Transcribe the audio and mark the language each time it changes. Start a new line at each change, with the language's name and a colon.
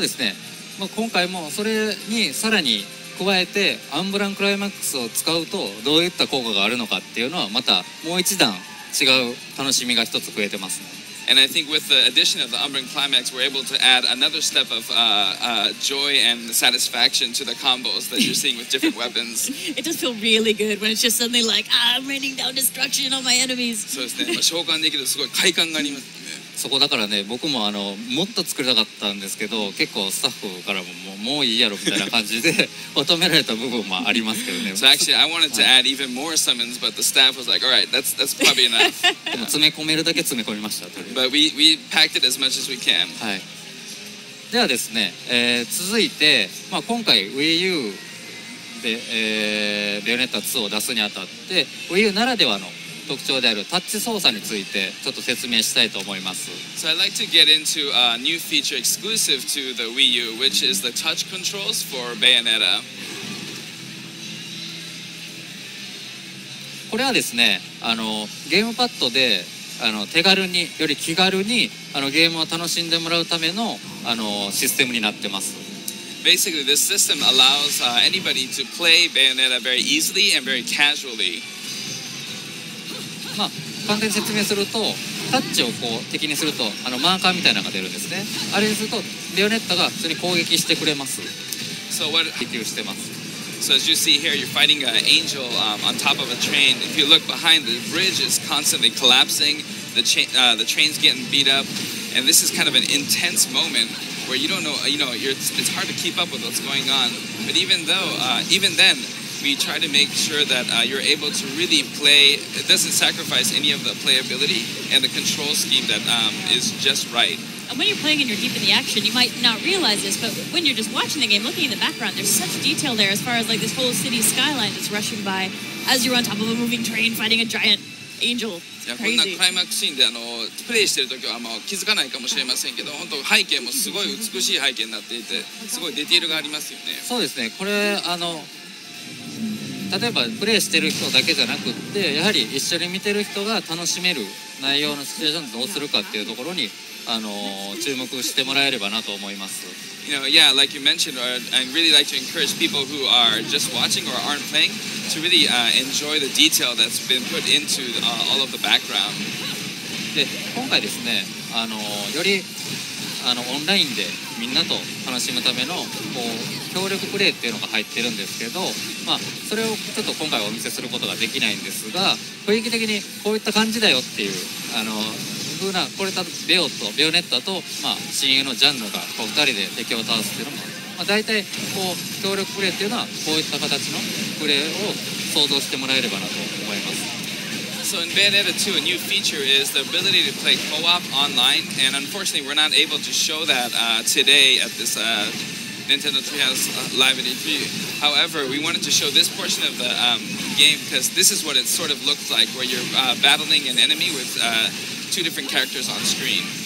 Japanese: ですね、まあ、今回もそれにさらに加えてアンブランクライマックスを使うとどういった効果があるのかっていうのは、またもう一段違う楽しみが一つ増えてますね。
English: And I think with the addition of the Umbran Climax, we're able to add another step of joy and satisfaction to the combos that you're seeing with different weapons. It does feel really good when it's just suddenly like, I'm raining down destruction on my enemies.
Japanese: そうですね。まあ、召喚できるとすごい快感がありますね。そこだからね、僕ももっと作りたかったんですけど、結構スタッフからももういいやろみたいな感じで求められた部分もありますけどね。
English: So actually, I wanted to add even more summons, but the staff was like, all right, that's probably enough.
Japanese: 詰め込めるだけ詰め込みました。
English: But we packed it as much as we can.
Japanese: はい。ではですね、続いて、まあ、今回 Wii U で、ベヨネッタ2を出すにあたって、Wii U ならではの特徴であるタッチ操作についてちょっと説明したいと思います。
English: So I'd like to get into a new feature exclusive to the Wii U, which is the touch controls for Bayonetta.
Japanese: これはですね、ゲームパッドで手軽に、より気軽にゲームを楽しんでもらうためのシステムになってます。
English: Basically, this system allows anybody to play Bayonetta very easily and very casually.
Japanese: まあ、簡単に説明すると、タッチをこう敵にするとマーカーみたいなのが出るんですね。あれにするとベヨネッタが普通に攻撃してくれます。
English: So what,
Japanese: 敵をしてます。
English: So as you see here, you're fighting an angel on top of a train. If you look behind, the bridge is constantly collapsing, the train's getting beat up, and this is kind of an intense moment where you don't know, you know, it's hard to keep up with what's going on. But even then,We try to make sure that you're able to really play. It doesn't sacrifice any of the playability and the control scheme that is just right. And when you're playing and you're deep in the action, you might not realize this, but when you're just watching the game, looking in the background, there's such detail there as far as like this whole city skyline that's rushing by as you're on top of a moving train fighting a giant angel.
Japanese: こんなクライマックスシーンでプレイしてるときは気づかないかもしれませんけど、本当背景もすごい美しい背景になっていて、すごいディテールがありますよね。そうですね。これ例えばプレイしてる人だけじゃなくって、やはり一緒に見てる人が楽しめる内容のシチュエーションをどうするかっていうところに注目してもらえればなと思います。
English: You know, yeah, like you mentioned, I'd really like to encourage people who are just watching or aren't playing to really enjoy the detail that's been put into all of the background.
Japanese: で、今回ですね、よりオンラインでみんなと楽しむためのこう協力プレイっていうのが入ってるんですけど、まあ、それをちょっと今回はお見せすることができないんですが、雰囲気的にこういった感じだよっていう、風なこれたベオとベオネッタと、まあ、親友のジャンヌがこう2人で敵を倒すっていうのも、まあ、大体こう協力プレイっていうのはこういった形のプレイを想像してもらえればなと思います。
English: So in Bayonetta 2, a new feature is the ability to play co-op online, and unfortunately we're not able to show that today at this Nintendo Treehouse Live at E3. However, we wanted to show this portion of the game because this is what it sort of looks like, where you're battling an enemy with two different characters on screen.